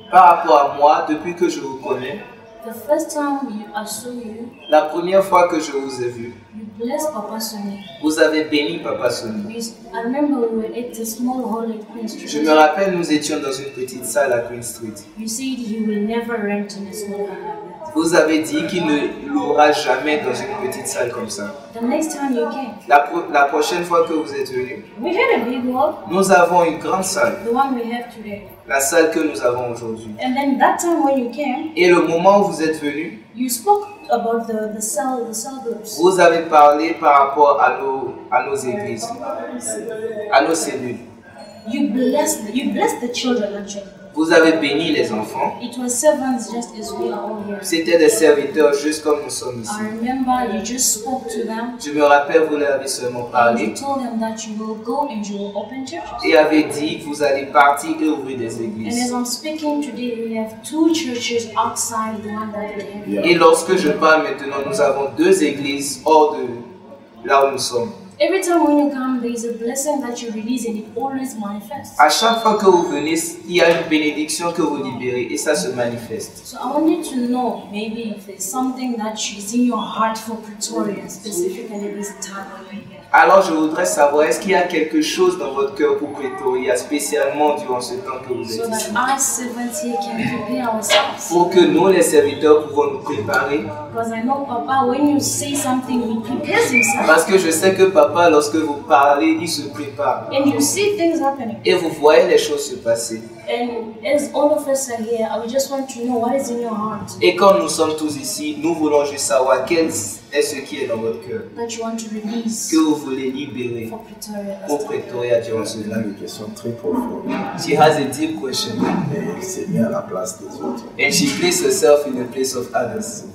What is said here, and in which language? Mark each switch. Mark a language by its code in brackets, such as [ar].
[fr] par rapport à moi, depuis que je vous connais, [en] the first time I saw you, [fr] la première fois que je vous ai vu, [en] you blessed Papa Sonny. [fr] Vous avez béni Papa Sonny. Je me rappelle, nous étions dans une petite salle à Queen Street. [en] You said you will never rent in a small apartment. [fr] Vous avez dit qu'il ne louera jamais dans une petite salle comme ça. [en] The next time you came, [fr] la prochaine fois que vous êtes venu, [en] we had a big hall. [fr] Nous avons une grande salle. [en] The one we have today. [fr] La salle que nous avons aujourd'hui. [en] And then that time when you came, [fr] et le moment où vous êtes venu, [en] you spoke about the cell, the cell groups. [fr] Vous avez parlé par rapport à nos églises, à nos cellules. [en] You blessed the children, actually. [fr] Vous avez béni les enfants. [en] It was servants just as we are all here. [fr] C'était des serviteurs juste comme nous sommes ici. [en] I remember you just spoke to them. [fr] Je me rappelle, vous leur avez seulement parlé. [en] You told them that you will go and you will open churches. [fr] Et avez dit que vous allez partir et ouvrir des églises. [en] And as I'm speaking today, we have two churches outside the one that we have. [fr] Et lorsque je parle maintenant, nous avons deux églises hors de là où nous sommes. [en] Every time when you come, there is a blessing that you release, and it always manifests. [fr] À chaque fois que vous venez, il y a une bénédiction que vous libérez, et ça se manifeste. [en] So I want you to know, maybe if there's something that is in your heart for Pretoria, specifically this time over here. [fr] Alors je voudrais savoir, est-ce qu'il y a quelque chose dans votre cœur pour Pretoria, spécialement durant ce temps que vous êtes [en] ici? So that our servants here can prepare ourselves. [fr] Pour que nous, les serviteurs, pouvons nous préparer. [en] Because I know Papa, when you say something, he prepares himself. [fr] Parce que je sais que Papa, lorsque vous parlez, il se prépare. [en] And you see things happening. [fr] Et vous voyez les choses se passer. [en] And as all of us are here, I just want to know what is in your heart. [fr] Et comme nous sommes tous ici, nous voulons juste savoir quel est ce qui est dans votre cœur. [en] That you want to release. [fr] Que vous voulez libérer. [en] For Pretoria. [fr] Pour Pretoria, durant ce une question très profonde. [en] She has a deep question. [fr] Elle s'est mise à la place des autres. [en] And she placed herself in the place of others.